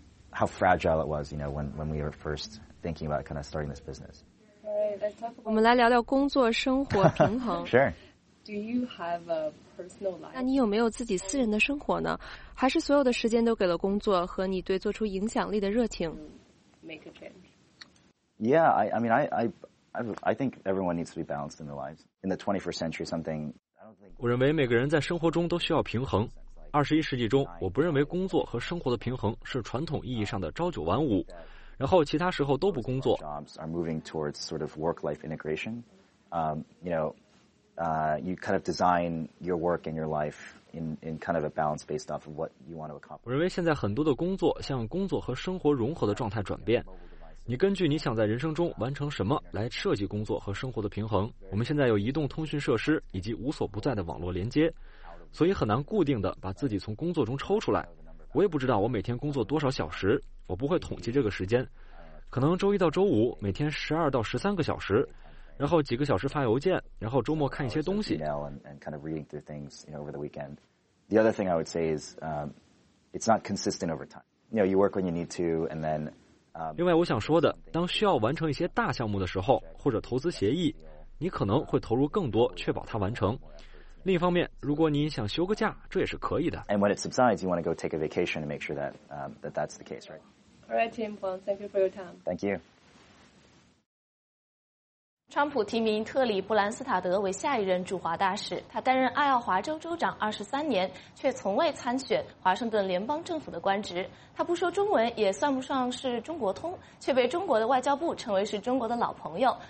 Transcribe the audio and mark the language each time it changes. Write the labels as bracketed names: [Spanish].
[English] How fragile it was, you know, when we were first thinking about kind of starting this business. All right, let's talk. [Chinese] 我们来聊聊工作生活平衡。 [English] Sure. Do you have a personal life? [Chinese] 那你有没有自己私人的生活呢？还是所有的时间都给了工作和你对做出影响力的热情 [English] ？Make a change. Yeah, I think everyone needs to be balanced in their lives. In the 21st century, something. [Chinese] 我认为每个人在生活中都需要平衡。二十一世纪中，我不认为工作和生活的平衡是传统意义上的朝九晚五，然后其他时候都不工作。 [English] Jobs are moving towards sort of work-life integration. You know, you kind of design your work and your life in kind of a balance based off of what you want to accomplish. [Chinese] 我认为现在很多的工作向工作和生活融合的状态转变。你根据你想在人生中完成什么来设计工作和生活的平衡。我们现在有移动通讯设施以及无所不在的网络连接，所以很难固定的把自己从工作中抽出来。我也不知道我每天工作多少小时，我不会统计这个时间，可能周一到周五每天12到13个小时，然后几个小时发邮件，然后周末看一些东西。 [English] The other thing I would say is it's not consistent over time. You know, you work when you need to and then [Chinese] 另外我想说的，当需要完成一些大项目的时候，或者投资协议，你可能会投入更多确保它完成。另一方面，如果你想休个假，这也是可以的。 [English] And when it subsides, you want to go take a vacation to make sure that that's the case, right? All right, Tim. Well, thank you for your time. Thank you. [Chinese] 川普提名特里·布兰斯塔德为下一任驻华大使，他担任爱奥华州州长23年，却从未参选华盛顿联邦政府的官职。他不说中文，也算不上是中国通，却被中国的外交部称为是中国的老朋友。